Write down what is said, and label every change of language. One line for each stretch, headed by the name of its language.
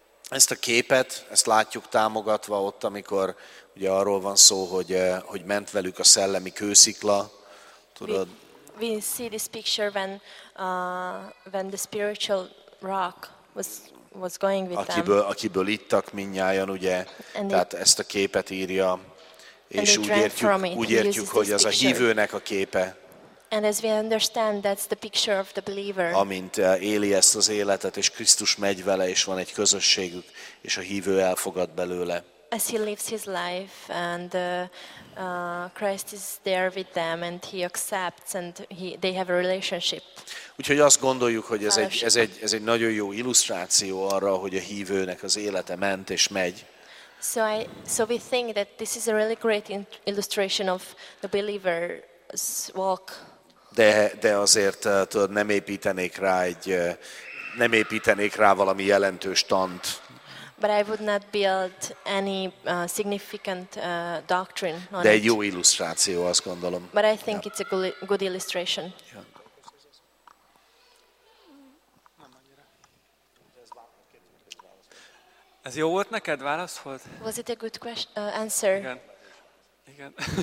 Hungarian: Ezt a képet, ezt látjuk támogatva ott, amikor ugye arról van szó, hogy ment velük a szellemi kőszikla. Tudod?
English: We see this picture when the spiritual rock was going with them.
Hungarian: Akiből ittak mindnyájan, ugye? Tehát ezt a képet írja, és úgy értjük, hogy az a hívőnek a képe.
English: And as we understand, that's the picture of the believer.
Hungarian: Amint éli ezt az életet, és Krisztus megy vele, és van egy közösségük, és a hívő elfogad belőle.
English: As he lives his life, and Christ is there with them, and he accepts, and they have a relationship.
Hungarian: Úgyhogy azt gondoljuk, hogy ez egy nagyon jó illusztráció arra, hogy a hívőnek az élete ment és megy.
English: So we think that this is a really great illustration of the believer's walk.
Hungarian: De azért tudod, nem építenék rá valami jelentős tant.
English: But I would not build any significant doctrine on it.
Hungarian: De egy jó illusztráció, azt gondolom.
English: But I think it's a good illustration.
Hungarian: Ez jó volt neked, válasz volt?
English: Was it a good question, answer?
Hungarian: Igen. Igen.